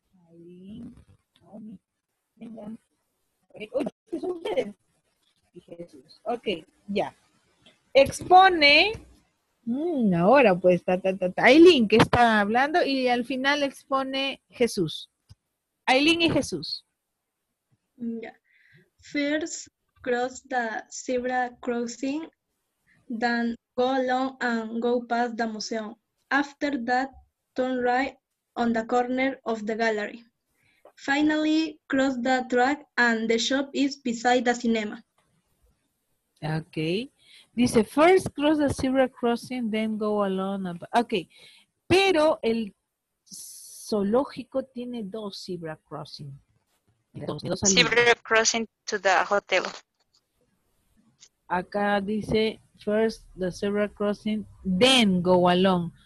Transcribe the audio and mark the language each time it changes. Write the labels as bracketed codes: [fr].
[es] Aileen, Naomi. Brenda. Uy, son ustedes. Y Jesús. Ok, ya. Expone. Ahora pues, Aileen que está hablando y al final expone Jesús. Aileen y Jesús. [en] Yeah. First cross the zebra crossing, then go along and go past the museum. After that, turn right on the corner of the gallery. Finally, cross the track and the shop is beside the cinema. Okay. Dice, first cross the zebra crossing, then go alone. [es] Ok, pero el zoológico tiene dos zebra crossing. [en] Zebra crossing to the hotel. [es] Acá dice, [en] first the zebra crossing, then go alone.